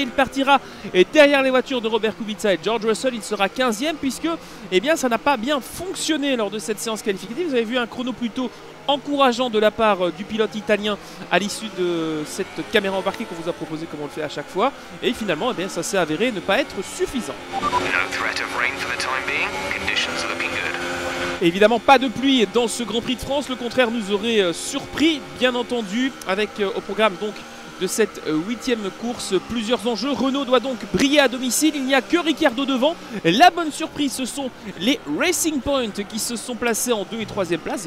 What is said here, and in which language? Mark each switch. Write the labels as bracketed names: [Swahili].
[French] Il partira derrière les voitures de Robert Kubica et George Russell. Il sera 15e puisque eh bien, ça n'a pas bien fonctionné lors de cette séance qualificative. Vous avez vu un chrono plutôt encourageant de la part du pilote italien à l'issue de cette caméra embarquée qu'on vous a proposée comme on le fait à chaque fois. Et finalement, eh bien, ça s'est avéré ne pas être suffisant. [English] No threat of rain for the time being. Conditions are looking good. [French] Évidemment, pas de pluie dans ce Grand Prix de France. Le contraire nous aurait surpris, bien entendu, avec au programme donc de cette huitième course. Plusieurs enjeux. Renault doit donc briller à domicile. Il n'y a que Ricciardo devant. La bonne surprise, ce sont les Racing Point qui se sont placés en 2 et 3e place.